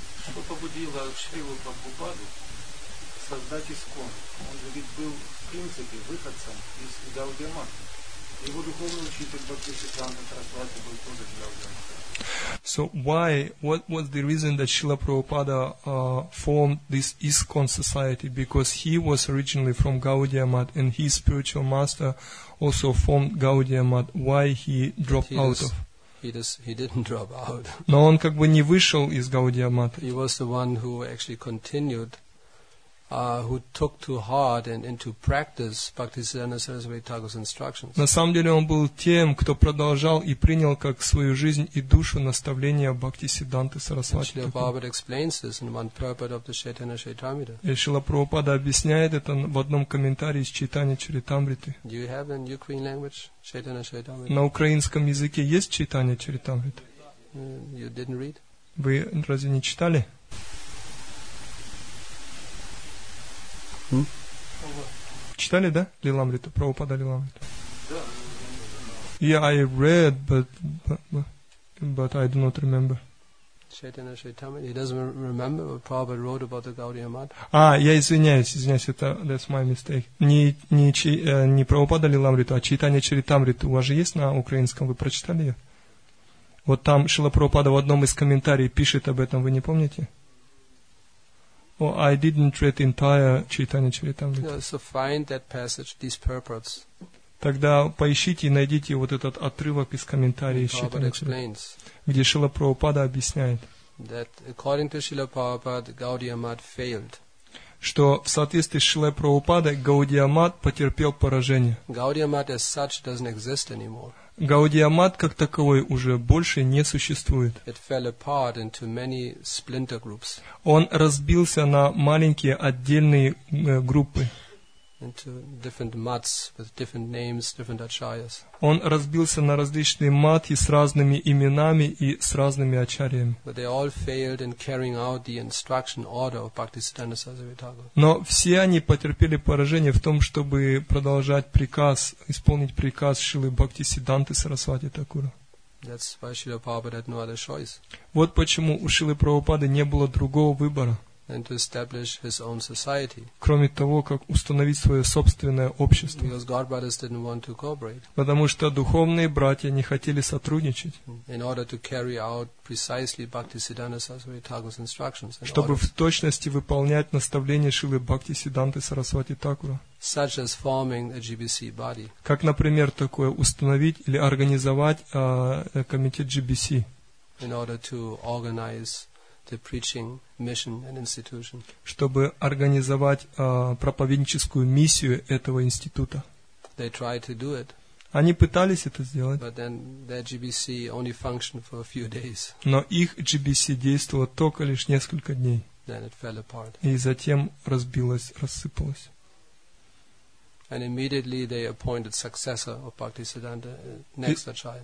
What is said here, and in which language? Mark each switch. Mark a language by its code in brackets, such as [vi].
[ru] Что побудило Шрилу Прабхупаду создать ИСКОН? Он же ведь был, в принципе, выходцем из Гаудия Матха. Его духовный учитель Бхактисиддханта Сарасвати был тоже из Гаудия Матха. [en] So why, what was the reason that Srila Prabhupada formed this ISKCON society? Because he was originally from Gaudiya Math, and his spiritual master also formed Gaudiya Math. Why he dropped out of? He didn't drop out. [ru] Но он как бы не вышел из Gaudiya Math. [en] He was the one who actually continued, who took to heart and into practice Bhaktisiddhanta Sarasvati Thakur's instructions. [ru] На самом деле он был тем, кто продолжал и принял как свою жизнь и душу наставления Бхактисиддханты Сарасвати. [en] Srila Prabhupada explains this in one purport of the Chaitanya Charitamrita. [ru] И Шрила Прабхупада объясняет это в одном комментарии из Чайтанья Чаритамриты. [en] Do you have in Ukrainian language Chaitanya Charitamrita? [ru] На украинском языке есть Чайтанья Чаритамрита? [en] You didn't read? [ru] Вы разве не читали? Читали, да? Лиламриту, Прабхупада Лиламриту. [en] Yeah, I read, but I do not remember. Chaitanya Charitamrita, he doesn't remember what Prabhupada wrote about the Gaudiya Math. [ru] Я извиняюсь, это [en] that's my mistake. [ru] Не Прабхупада Лиламриту, а Чайтанья Чаритамриту. У вас же есть на украинском, вы прочитали ее? Вот там Шрила Прабхупада в одном из комментариев пишет об этом, вы не помните? [en] I didn't read entire Chaitanya Charitamrita. Yeah, so find that passage, these purports. [ru] Тогда поищите и найдите вот этот отрывок из комментариев Чайтанья Чаритамриты, где Шрила Прабхупада объясняет, [en] that according to Srila Prabhupada, Gaudiya Math failed. [ru] Что в соответствии с Шрилой Прабхупадой Гаудия Мат потерпел поражение. [en] Gaudiya Math as such doesn't exist anymore. [ru] Гаудия Мат как таковой уже больше не существует. [en] It fell apart into many splinter groups. [ru] Он разбился на маленькие отдельные группы. [en] Into different mats with different names, different acharyas. [ru] Он разбился на различные матхи с разными именами и с разными ачарьями. [en] But they all failed in carrying out the instruction order of Bhaktisiddhanta Sarasvati Thakur. [ru] Но все они потерпели поражение в том, чтобы продолжать приказ, исполнить приказ Шрилы Бхактисиддханты Сарасвати Такура. [en] That's why Srila Prabhupada had no other choice. [ru] Вот почему у Шрилы Прабхупады не было другого выбора. [en] And to establish his own society. [ru] Кроме того, как установить свое собственное общество. [en] Because God brothers didn't want to cooperate. [ru] Потому что духовные братья не хотели сотрудничать. [en] In order to carry out precisely Bhaktisiddhanta Sarasvati Thakur's instructions. [ru] Чтобы в точности выполнять наставления Шрилы Бхактисиддханты Сарасвати Такура. [en] Such as forming a GBC body. [ru] Как, например, такое установить или организовать комитет GBC. [en] In order to organize the preaching mission and institution. [ru] Чтобы организовать проповедническую миссию этого института. [en] They tried to do it. [ru] Они пытались это сделать. [en] But then their GBC only functioned for a few days. [ru] Но их GBC действовало только лишь несколько дней. [en] Then it fell apart. [ru] И затем разбилось, рассыпалось. [en] And immediately they appointed successor of Bhaktisiddhanta next acharya.